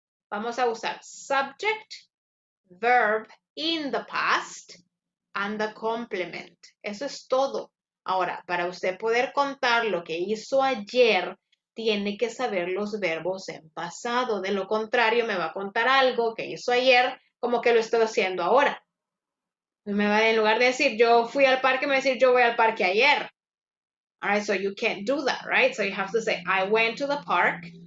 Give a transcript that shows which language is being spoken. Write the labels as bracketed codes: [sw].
[es] Vamos a usar [en] subject, verb in the past, and the complement. [es] Eso es todo. Ahora, para usted poder contar lo que hizo ayer, tiene que saber los verbos en pasado. De lo contrario, me va a contar algo que hizo ayer, como que lo estoy haciendo ahora. Me va, en lugar de decir, yo fui al parque, me va a decir, yo voy al parque ayer. [en] All right, so you can't do that, right? So you have to say, I went to the park.